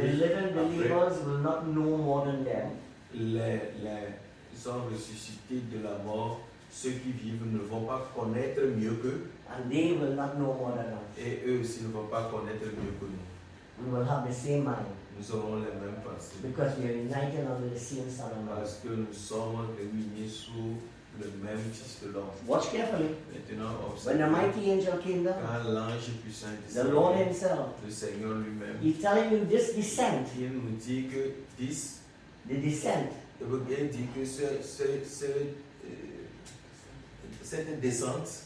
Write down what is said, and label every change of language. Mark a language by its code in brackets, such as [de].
[en] the living believers will not know more than them. [fr] Ils sont ressuscités de la mort. Ceux qui vivent ne vont pas connaître mieux qu'eux. [en] And they will not know more than us. [fr] Et eux aussi ne vont pas connaître mieux que nous. [en] We will have the same mind. [fr] Nous aurons les mêmes pensées. [en] Because we are united under the same son of God. [fr] Parce que nous sommes réunis sous le même fils de l'homme. [en] Watch carefully. [fr] Maintenant, observe. [en] When the mighty angel came down, [fr] quand l'ange puissant descend, [en] the Lord himself, [fr] le Seigneur lui-même, [en] he's telling you this descent. [fr] Il nous dit que this, [en] the descent. [fr] Il veut bien dire que cette descente,